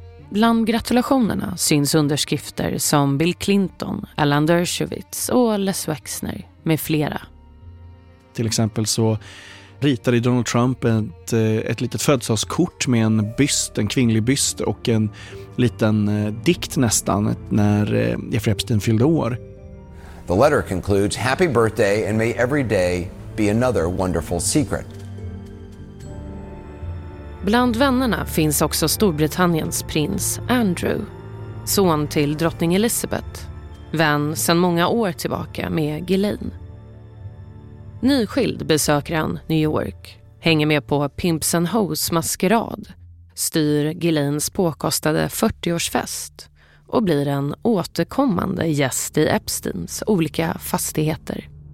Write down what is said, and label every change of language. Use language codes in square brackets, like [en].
[sv] Bland gratulationerna syns underskrifter som Bill Clinton, Alan Dershowitz och Les Wexner med flera. Till exempel så ritade Donald Trump ett litet födelsedagskort med en byst, en kvinnlig byst och en liten dikt nästan när Jeffrey Epstein fyllde år. [en] The letter concludes, happy birthday and may every day be another wonderful secret. [sv] Bland vännerna finns också Storbritanniens prins Andrew, son till drottning Elizabeth, vän sedan många år tillbaka med Ghislaine. Nyskild besöker han New York, hänger med på Pimps and Hoes maskerad, styr Ghislaines påkostade 40-årsfest och blir en återkommande gäst i Epsteins olika fastigheter.